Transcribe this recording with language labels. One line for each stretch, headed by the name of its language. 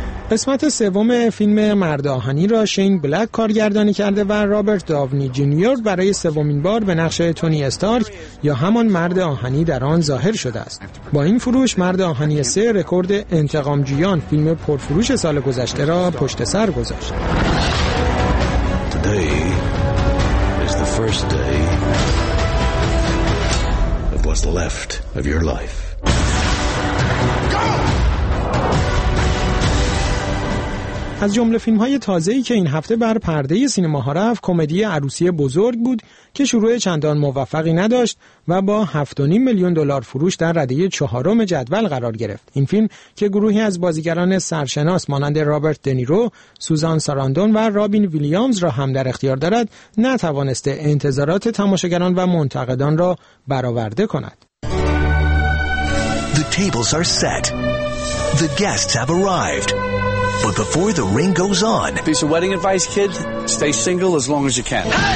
Persian: قسمت سوم فیلم مرد آهنی را شین بلک کارگردانی کرده و رابرت داونی جونیور برای سومین بار به نقش تونی استارک یا همان مرد آهنی در آن ظاهر شده است. با این فروش مرد آهنی 3 رکورد انتقامجویان فیلم پرفروش سال گذشته را پشت سر گذاشت.
English: Today is the first day of what's left of your life.
Persian: از جمله فیلم‌های تازه‌ای که این هفته بر پرده سینماها رفت، کمدی عروسی بزرگ بود که شروع چندان موفقی نداشت و با 7.5 میلیون دلار فروش در رده چهارم جدول قرار گرفت. این فیلم که گروهی از بازیگران سرشناس مانند رابرت دنیرو، سوزان ساراندون و رابین ویلیامز را هم در اختیار دارد، نتوانسته انتظارات تماشاگران و منتقدان را برآورده کند.
English: The tables are set. The guests have arrived. But before the ring goes on... Piece of wedding advice, kid. Stay single as long as you can.